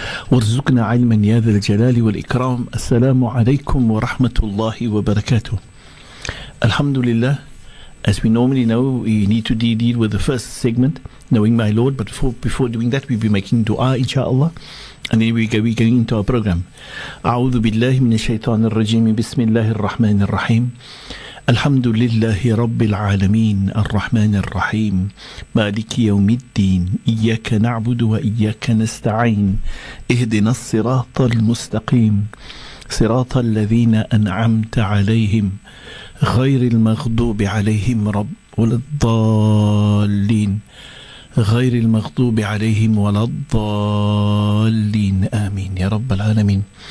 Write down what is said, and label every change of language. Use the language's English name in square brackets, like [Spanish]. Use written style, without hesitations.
[Arabic] وارزقنا علما يا ذا الجلال والإكرام. السلام عليكم ورحمة الله وبركاته. الحمد لله. [English] As we normally know, we need to deal with the first segment, knowing my Lord. But before doing that, we'll be making dua, inshallah. And then we're going into our program. [Arabic] أعوذ بالله من الشيطان الرجيم. بسم الله الرحمن الرحيم. الحمد لله رب العالمين الرحمن الرحيم مالك يوم الدين إياك نعبد وإياك نستعين اهدنا الصراط المستقيم صراط الذين أنعمت عليهم غير المغضوب عليهم رب ولا الضالين غير المغضوب عليهم ولا الضالين آمين يا رب العالمين.